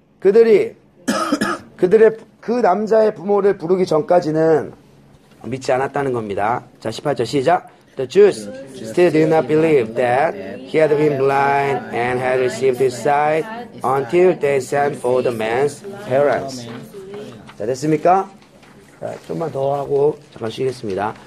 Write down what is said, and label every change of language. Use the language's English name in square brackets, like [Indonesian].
[Korean] 그들이 그들의 그 남자의 부모를 부르기 전까지는 믿지 않았다는 겁니다. 자, 18절 시작. [English] The Jews still did not believe that he had been blind and had received his sight until they sent for the man's parents. [Korean] 자, 됐습니까? 자, 좀만 더 하고 잠깐 쉬겠습니다.